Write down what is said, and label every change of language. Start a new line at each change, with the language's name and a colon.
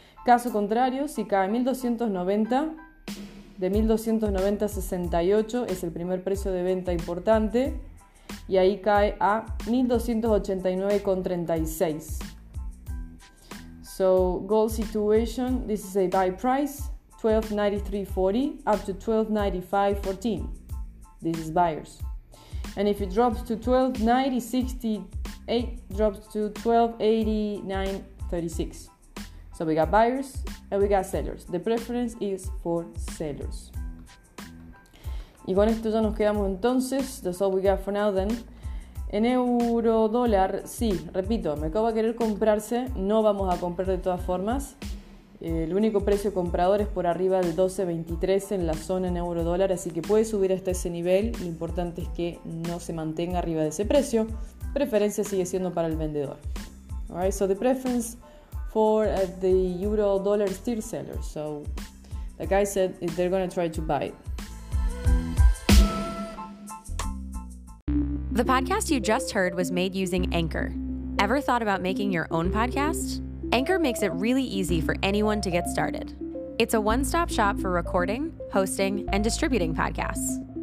Spanish: Caso contrario, si cae 1290, de 1290.68 es el primer precio de venta importante y ahí cae a 1289.36.
English: So, gold situation, this is a buy price, 1293.40 up to 1295.14. This is buyers. And if it drops to 1290.68, drops to 1289.36. So we got buyers and we got sellers. The preference is for sellers.
Spanish: Y con esto ya nos quedamos entonces.
English: That's all we got for now then.
Spanish: En euro dólar, sí, repito, me acabo de querer comprarse. No vamos a comprar de todas formas. El único precio comprador es por arriba del 12.23 en la zona en euro dólar. Así que puede subir hasta ese nivel. Lo importante es que no se mantenga arriba de ese precio. Preferencia sigue siendo para el vendedor.
English: Alright, so the preference for the euro dollar steel seller. So, like I said, they're going to try to buy it. The podcast you just heard was made using Anchor. Ever thought about making your own podcast? Anchor makes it really easy for anyone to get started. It's a one-stop shop for recording, hosting, and distributing podcasts.